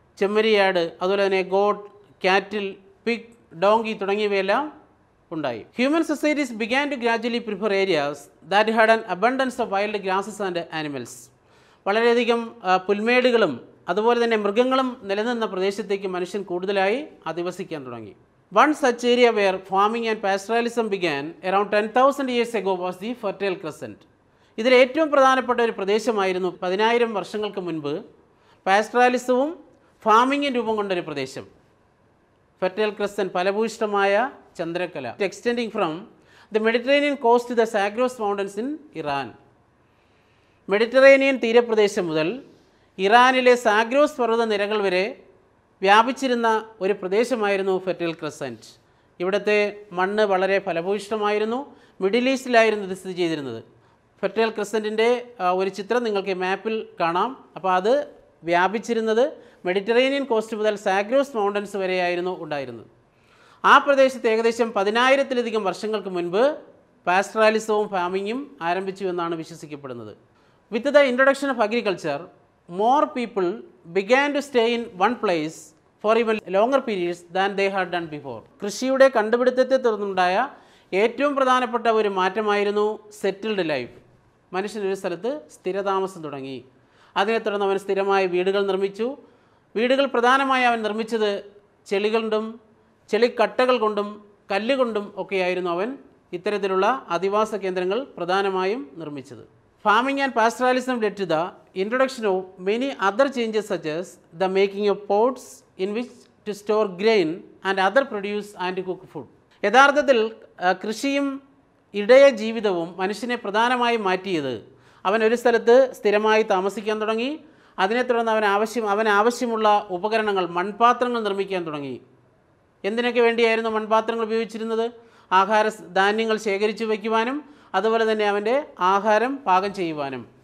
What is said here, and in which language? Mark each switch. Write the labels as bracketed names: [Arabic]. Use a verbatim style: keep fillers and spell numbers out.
[Malayalam] ചെമ്മരിയാട്, അതുപോലെ തന്നെ ഗോട്ട്, കാറ്റിൽ, പിഗ്, ഡോങ്കി തുടങ്ങിയവയെല്ലാം ഉണ്ടായി. [English] Human societies began to gradually prefer areas that had an abundance of wild grasses and animals. [Malayalam] വളരെയധികം പുൽമേടുകളും അതുപോലെ തന്നെ മൃഗങ്ങളും നിലനിന്ന പ്രദേശത്തേക്ക് മനുഷ്യൻ കൂടുതലായി അധിവസിക്കാൻ തുടങ്ങി. [English] One such area where farming and pastoralism began around ten thousand years ago was the Fertile Crescent. [Malayalam] ഇതിൽ ഏറ്റവും പ്രധാനപ്പെട്ട ഒരു പ്രദേശമായിരുന്നു പതിനായിരം വർഷങ്ങൾക്ക് മുൻപ് പാസ്റ്ററാലിസവും ഫാമിങ്ങും രൂപം കൊണ്ടൊരു പ്രദേശം. [English] fertile crescent, [Malayalam] ഫലഭൂയിഷ്ടമായ ചന്ദ്രക്കല, [English] Extending from the Mediterranean coast to the Zagros mountains in Iran. [Malayalam] Mediterranean തീരപ്രദേശം മുതൽ ഇറാനിലെ സാഗ്രോസ് പർവ്വത നിരകൾ വരെ വ്യാപിച്ചിരുന്ന ഒരു പ്രദേശമായിരുന്നു ഫെർട്ടൈൽ ക്രസൻറ്റ്. ഇവിടുത്തെ മണ്ണ് വളരെ ഫലഭൂയിഷ്ടമായിരുന്നു. മിഡിൽ ഈസ്റ്റിലായിരുന്നു ഇത് സ്ഥിതി ചെയ്തിരുന്നത്. ഫെർട്ടൈൽ ക്രസൻറ്റിൻ്റെ ഒരു ചിത്രം നിങ്ങൾക്ക് മാപ്പിൽ കാണാം. അപ്പോൾ അത് വ്യാപിച്ചിരുന്നത് മെഡിറ്ററേനിയൻ കോസ്റ്റ് മുതൽ സാഗ്രോസ് മൗണ്ടൻസ് വരെയായിരുന്നു ഉണ്ടായിരുന്നത്. ആ പ്രദേശത്ത് ഏകദേശം പതിനായിരത്തിലധികം വർഷങ്ങൾക്ക് മുൻപ് പാസ്റ്ററാലിസവും ഫാമിങ്ങും ആരംഭിച്ചു എന്നാണ് വിശ്വസിക്കപ്പെടുന്നത്. [English] With the introduction of agriculture more people began to stay in one place for even longer periods than they had done before. [Malayalam] കൃഷിയുടെ കണ്ടുപിടുത്തത്തെ തുടർന്നുണ്ടായ ഏറ്റവും പ്രധാനപ്പെട്ട ഒരു മാറ്റമായിരുന്നു സെറ്റിൽഡ് ലൈഫ്. മനുഷ്യനൊരു സ്ഥലത്ത് സ്ഥിരതാമസം തുടങ്ങി. അതിനെ തുടർന്ന് അവൻ സ്ഥിരമായ വീടുകൾ നിർമ്മിച്ചു. വീടുകൾ പ്രധാനമായി അവൻ നിർമ്മിച്ചത് ചെളികൊണ്ടും ചെളിക്കട്ടകൾ കൊണ്ടും കല്ലുകൊണ്ടും ഒക്കെയായിരുന്നു അവൻ ഇത്തരത്തിലുള്ള അധിവാസ കേന്ദ്രങ്ങൾ പ്രധാനമായും നിർമ്മിച്ചത്. [English] Farming and pastoralism led to the introduction of many other changes such as the making of pots in which to store grain and other produce and cook food. [Malayalam] യഥാർത്ഥത്തിൽ കൃഷിയും ഇടയ ജീവിതവും മനുഷ്യനെ പ്രധാനമായി മാറ്റിയത് അവൻ ഒരു സ്ഥലത്ത് സ്ഥിരമായി താമസിക്കാൻ തുടങ്ങി. അതിനെ തുടർന്ന് അവൻ ആവശ്യം അവൻ ആവശ്യമുള്ള ഉപകരണങ്ങൾ, മൺപാത്രങ്ങൾ നിർമ്മിക്കാൻ തുടങ്ങി. എന്തിനൊക്കെ വേണ്ടിയായിരുന്നു മൺപാത്രങ്ങൾ ഉപയോഗിച്ചിരുന്നത്? ആഹാര ധാന്യങ്ങൾ ശേഖരിച്ചു വയ്ക്കുവാനും അതുപോലെ തന്നെ അവൻ്റെ ആഹാരം പാകം ചെയ്യുവാനും.